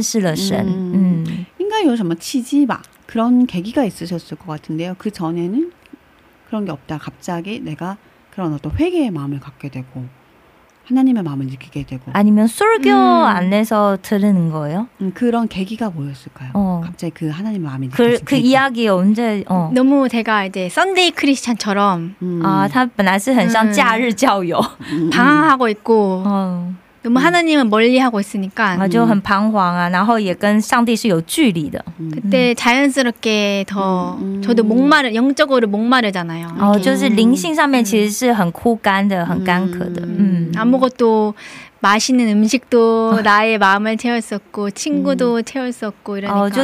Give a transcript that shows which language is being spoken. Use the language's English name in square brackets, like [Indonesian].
[Chinese] 所以才开始祷告，然后开始读经，然后好像是从那个时候才更深一步的去认识了神。应该有什么契机吧？ [Korean] 그런 계기가 있으셨을 것 같은데요. 그 전에는 그런 게 없다. 갑자기 내가 그런 어떤 회개의 마음을 갖게 되고 하나님의 마음을 느끼게 되고. 아니면 설교 안에서 들은 거예요? 그런 계기가 뭐였을까요? 갑자기 그 하나님의 마음이 그 이야기 언제 너무 제가 이제 선데이 크리스찬처럼 [Chinese] 他本来是很像假日教友，彷徨하고 [Korean] 있고 너무 하나님은 멀리하고 있으니까 [Chinese] 就很彷徨啊，然后也跟上帝是有距离的。 [Korean] 그때 자연스럽게 더 저도 목마르 영적으로 목마르잖아요. [Chinese] 就是灵性上面其实是很枯干的，很干渴的。 [Korean] 아무것도 맛있는 음식도 나의 마음을 채웠었고 친구도 채웠었고 이러니까